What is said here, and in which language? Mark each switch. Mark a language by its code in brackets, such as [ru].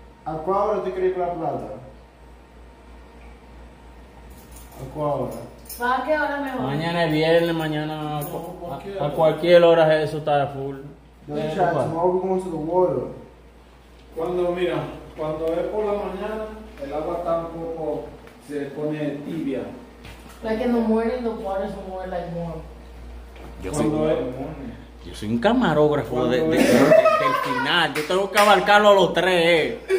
[es] ¿A cuál hora te quieres ir para la plaza? ¿A cuál hora? ¿A qué hora mejor? Mañana es viernes, mañana no, a cualquier hora eso está de full. [en] Tomorrow we're going to the water. [es] Cuando es por la mañana, el agua está un poco, se pone tibia. [en] Like in the morning, the water is more like warm. [es] Yo soy un camarógrafo del final. Yo tengo que abarcarlo a los tres.